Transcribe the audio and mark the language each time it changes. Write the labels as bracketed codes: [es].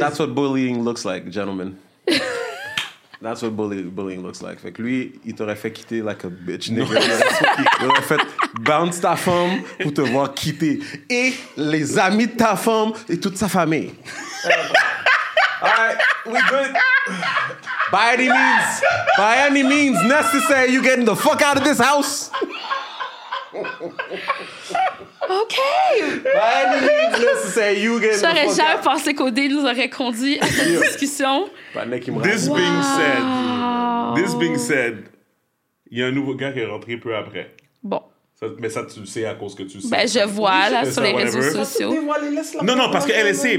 [en] That's what bullying looks like, gentlemen. That's what bullying looks like. [fr] Fait que lui, il t'aurait fait quitter [en] like a bitch, nigga. [fr] Il aurait fait bounce ta femme pour te voir quitter. Et les amis de ta femme et toute sa famille. [en] All right, we good. By any means necessary, you getting the fuck out of this house. Okay. By any means necessary, you getting the fuck out. [fr] J'aurais jamais pensé qu'Odé nous aurait conduit à cette discussion. [en] This being said, [fr] il y a un nouveau gars qui est rentré peu après. Bon. Ça, mais ça, tu le sais à cause que tu sais. Ben, je vois, là, sur les réseaux sociaux. Non, parce qu'elle sait.